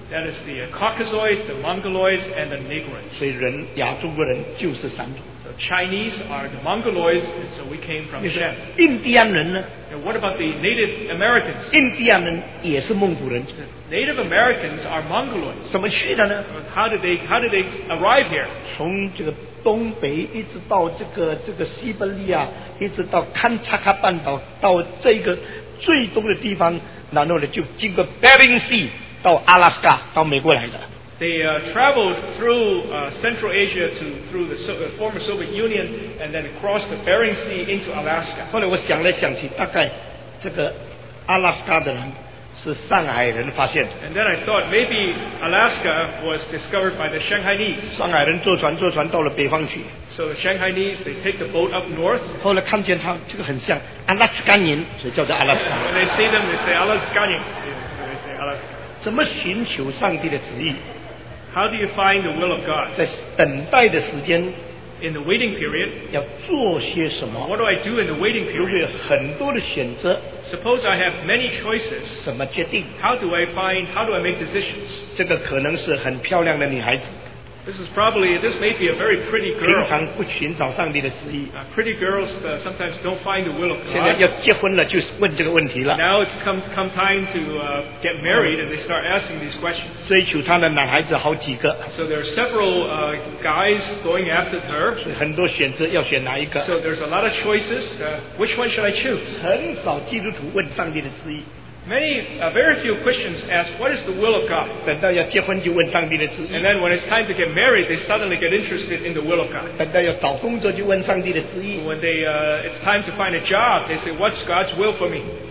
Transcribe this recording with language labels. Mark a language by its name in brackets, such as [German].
[English] That is the Caucasoids, the Mongoloids, and the Negroids. [Chinese] 所以人，亚中国人就是三族。 [English] So Chinese are the Mongoloids, and so we came from Shem. [Chinese] 印第安人呢？ [English] And what about the Native Americans? [Chinese] 印第安人也是蒙古人。 [English] Native Americans are Mongoloids. [Chinese] 怎么去的呢？ [English] How did they arrive here? [Chinese] 从这个东北一直到这个西伯利亚，一直到堪察卡半岛，到这个最东的地方，然后呢就经过 Bering Sea 到阿拉斯加到美国来的。 [English] They traveled through Central Asia to through the former Soviet Union and then across the Bering Sea into Alaska. [Chinese] 后来我想来想去，大概这个阿拉斯加的人。 [English] And then I thought maybe Alaska was discovered by the Shanghainese. [Chinese] 上海人坐船坐船到了北方去。So [English] the Shanghainese, they take the boat up north. [Chinese] 后来看见他这个很像 Alaskanian， 所以叫做阿拉斯加。 [English] When they see them, they say Alaskanian. They say Alaska. [Chinese] 怎么寻求上帝的旨意？ [English] How do you find the will of God? [Chinese] 在等待的时间。 [English] In the waiting period, [Chinese] 要做些什么？ [English] What do I do in the waiting period? [Chinese] 有很多的选择。 [English] Suppose I have many choices. [Chinese] 怎么决定？ [English] How do I make decisions? [Chinese] 这个可能是很漂亮的女孩子。 [English] This may be a very pretty girl. [Chinese] 平常不寻找上帝的旨意。 [English] Pretty girls sometimes don't find the will of God. [Chinese] 现在要结婚了，就是问这个问题了。 [English] Now it's come time to get married, and they start asking these questions. [Chinese] 追求她的男孩子好几个。 [English] So there are several guys going after her. [Chinese] 所以很多选择，要选哪一个？ [English] So there's a lot of choices. Which one should I choose? [Chinese] 很少基督徒问上帝的旨意。 [English] Many, very few Christians ask, what is the will of God? [Chinese] 等到要结婚就问上帝的旨意。 [English] And then when it's time to get married, they suddenly get interested in the will of God. [Chinese] 等到要找工作就问上帝的旨意。 [English] When it's time to find a job, they say, what's God's will for me?